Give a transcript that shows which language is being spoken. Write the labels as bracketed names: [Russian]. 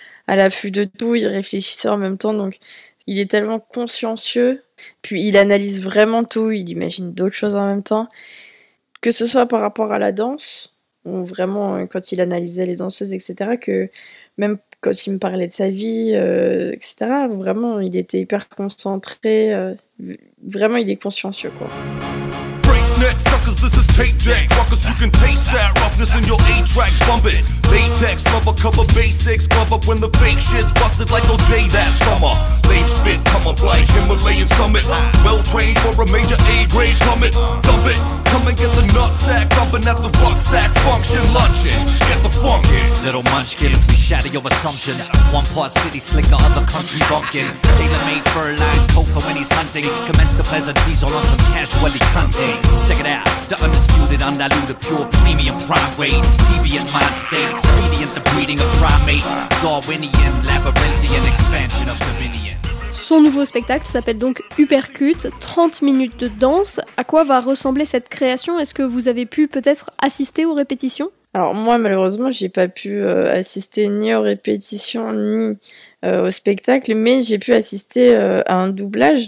[French] à l'affût de tout, il réfléchissait en même temps, donc il est tellement consciencieux, puis il analyse vraiment tout, il imagine d'autres choses en même temps, que ce soit par rapport à la danse, ou vraiment quand il analysait les danseuses, etc., que même quand il me parlait de sa vie, etc., vraiment, il était hyper concentré, vraiment, il est consciencieux, quoi. [English] Suckers, this is tape deck. Fuckers, you can taste that roughness in your eight tracks. Bump it. Latex, love a cup of basics. Glove up when the fake shit's busted like OJ that summer. Lame spit, come up like Himalayan summit. Well trained for a major A grade summit. Dump it. Come and get the nutsack. Dumping at the rucksack. Function luncheon. Get the funk in. Little munchkin, we shatter your assumptions. One part city slicker, other country bumpkin. Tailor made fur line, poker when he's hunting. Commence the pleasant diesel on some casually cunting. Check it out, the undisputed, undiluted, pure, premium, prime weight, deviant mind state, expedient, the breeding of primates, Darwinian, labyrinthian, expansion of dominion. [French] Son nouveau spectacle s'appelle donc Uppercut, 30 minutes de danse. À quoi va ressembler cette création ? Est-ce que vous avez pu peut-être assister aux répétitions ? Alors moi, malheureusement, j'ai pas pu assister ni aux répétitions, ni au spectacle, mais j'ai pu assister à un doublage.